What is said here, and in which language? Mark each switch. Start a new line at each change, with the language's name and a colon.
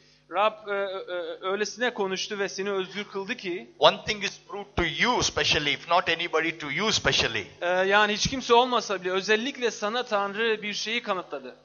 Turkish: Rab öylesine konuştu ve seni özgür kıldı ki.
English: One thing is proved to you especially, if not anybody to you especially.
Turkish: Yani hiç kimse olmasa bile özellikle sana Tanrı bir şeyi kanıtladı.